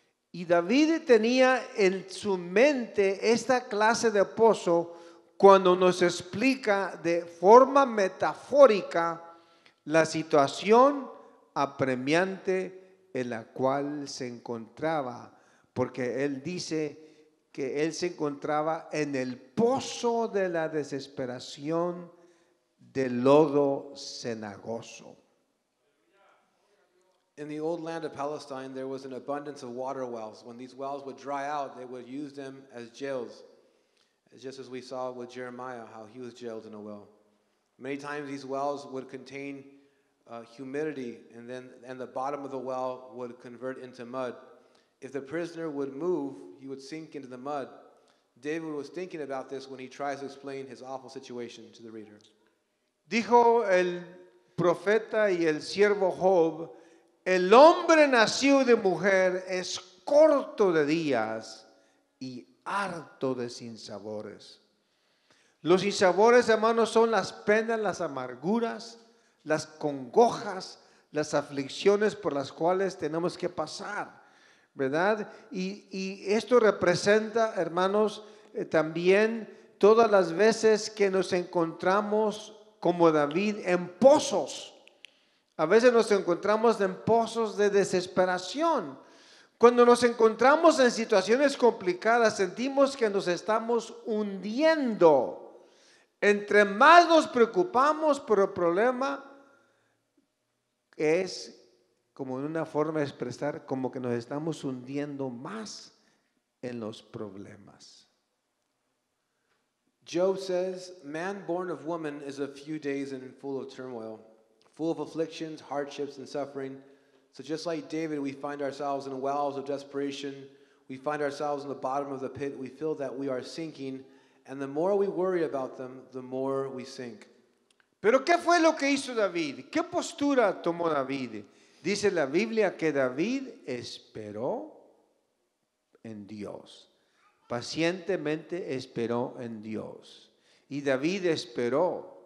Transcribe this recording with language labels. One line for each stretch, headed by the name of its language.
Spanish: Y David tenía en su mente esta clase de pozo cuando nos explica de forma metafórica la situación apremiante en la cual se encontraba, porque él dice que él se encontraba en el pozo de la desesperación del lodo cenagoso.
English: In the old land of Palestine, there was an abundance of water wells. When these wells would dry out, they would use them as jails. Just as we saw with Jeremiah, how he was jailed in a well. Many times these wells would contain humidity, and the bottom of the well would convert into mud. If the prisoner would move, he would sink into the mud. David was thinking about this when he tries to explain his awful situation to the reader.
Spanish: Dijo el profeta y el siervo Job, el hombre nacido de mujer es corto de días y harto de sinsabores. Los sinsabores, hermanos, son las penas, las amarguras, las congojas, las aflicciones por las cuales tenemos que pasar, ¿verdad? Y esto representa, hermanos, también todas las veces que nos encontramos como David en pozos. A veces nos encontramos en pozos de desesperación. Cuando nos encontramos en situaciones complicadas, sentimos que nos estamos hundiendo. Entre más nos preocupamos por el problema, es como en una forma de expresar como que nos estamos hundiendo más en los problemas.
English: Job says, "Man born of woman is a few days and full of turmoil." Full of afflictions, hardships, and suffering. So just like David, we find ourselves in wells of desperation. We find ourselves in the bottom of the pit. We feel that we are sinking. And the more we worry about them, the more we sink.
Spanish: ¿Pero qué fue lo que hizo David? ¿Qué postura tomó David? Dice la Biblia que David esperó en Dios. Pacientemente esperó en Dios. Y David esperó.